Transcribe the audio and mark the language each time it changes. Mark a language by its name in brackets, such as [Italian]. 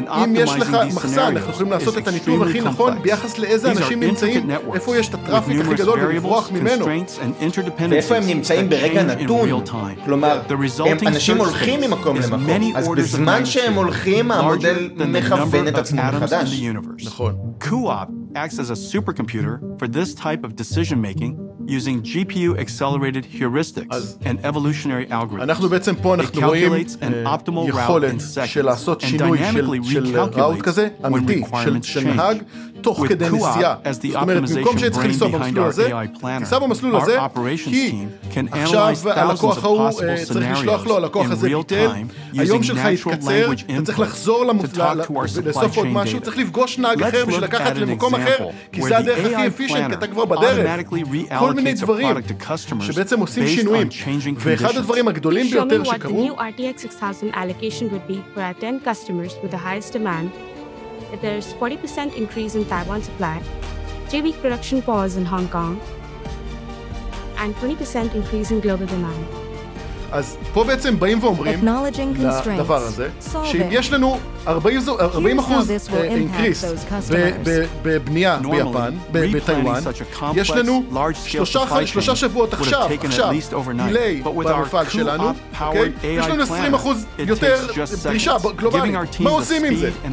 [Hebrew] אם יש לך מחסן, אנחנו יכולים לעשות את הניתוב הכי נכון ביחס לאיזה אנשים נמצאים, איפה יש את הטראפיק הכי גדול ולברוח ממנו. ואיפה הם נמצאים ברגע נתון. כלומר, אנשים הולכים ממקום למקום, אז בזמן שהם הולכים, המודל מכוון את עצמו מחדש. נכון. [English] QOP acts as a supercomputer for this type of decision making using GPU accelerated heuristics and evolutionary algorithms. [Hebrew] אנחנו בעצם פה אנחנו רואים יכולת של לעשות שינוי של ראות כזה אמיתי של נהג תוך כדי נסיעה. זאת אומרת, במקום שצריך לנסוע במסלול הזה, תיסע במסלול הזה, כי עכשיו הלקוח ההוא צריך לשלוח לו, הלקוח הזה ביטל, היום שלך יתקצר, אתה צריך לחזור לסוף עוד משהו, צריך לפגוש נהג אחר בשביל לקחת למקום אחר, כי זה הדרך הכי אפישנט, כי אתה כבר בדרך. כל מיני דברים שבעצם עושים שינויים. ואחד הדברים הגדולים ביותר שקרו, [English] show me what the new RTX 6000 allocation would be for our 10 customers with the highest demand. There's 40% increase in Taiwan supply, 3-week production pause in Hong Kong, and 20% increase in global demand. [Hebrew] אז פה בעצם באים ואומרים לדבר הזה, שאם יש לנו [English] 40% increase [Hebrew] בבנייה ביפן, בטיוואן, יש לנו שלושה שבועות עכשיו, דיליי במפעל שלנו, יש לנו 20% יותר פרישה גלובלית. מה עושים עם זה?